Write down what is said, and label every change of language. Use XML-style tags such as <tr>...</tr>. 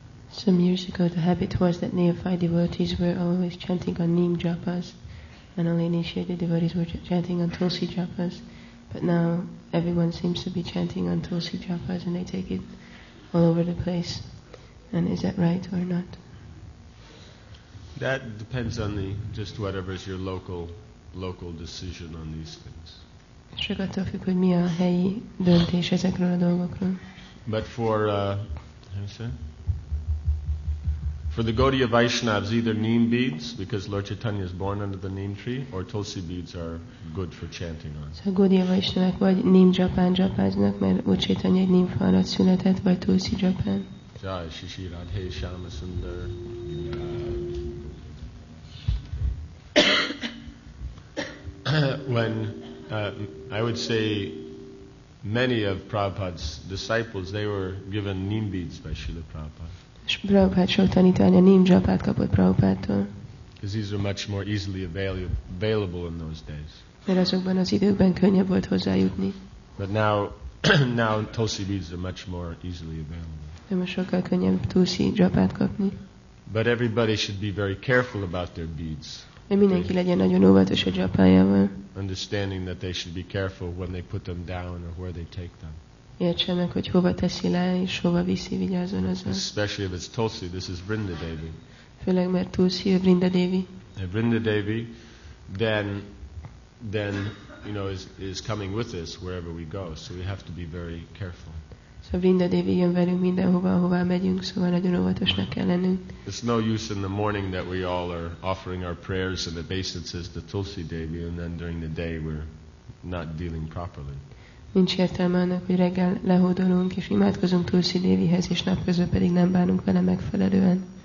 <en>Some years ago, the habit was that neophyte devotees were always chanting on neem japas, and only initiated devotees were chanting on tulsi japas. But now, everyone seems to be chanting on tulsi japas, and they take it all over the place. And is that right or not? That depends on just whatever is your local decision on these things.</en> <hu>Sok attól függ, hogy mi a helyi döntés ezekről a dolgokról.</hu> <en>But for, how do you say? For the Gaudiya Vaishnavas, either neem beads, because Lord Chaitanya is born under the neem tree, or tulsi beads are good for chanting on.</en> <hu>So Gaudiya Vaishnavas vagy neem japán japáznak, mert Lord Chaitanya egy neem fa alatt született, vagy tulsi japán.</hu> <sa>Jai Shishi Radhe Shyama Sundar.</sa> <en>When I would say many of Prabhupada's disciples, they were given neem beads by Srila Prabhupada.</en> <hu>És Prabhupada sok tanítványa neem japát kapott Prabhupádtól.</hu> <en>Because these were much more easily available in those days.</en> <hu>Mert azokban az időkben könnyebb volt hozzájutni.</hu> <en>But now tulsi beads are much more easily available.</en> <hu>De most sokkal könnyebb tulsi japát kapni.</hu> <en>But everybody should be very careful about their beads.</en> <hu>De mindenki legyen nagyon óvatos a japájával.</hu> <en>Understanding that they should be careful when they put them down or where they take them.</en> <hu>Értse meg, hogy hova teszi le, és hova viszi, vigyázzon azon.</hu> <en>Especially if it's Tulsi, this is Vrindadevi.</en> <hu>Főleg, mert Tulsi, a Vrindadevi.</hu> <en>A Vrindadevi, then, you know, is coming with us wherever we go, so we have to be very careful.</en> <hu>So Vrindadevi jön velünk mindenhova, ahová megyünk, szóval nagyon óvatosnak kell lennünk.</hu> <en>It's no use in the morning that we all are offering our prayers and obeisances to Tulsi Devi, and then during the day we're not dealing properly.</en> <hu>Nincs értelme annak, hogy reggel lehódolunk és imádkozunk Tulsi Devihez, és napközben pedig nem bánunk vele megfelelően.</hu>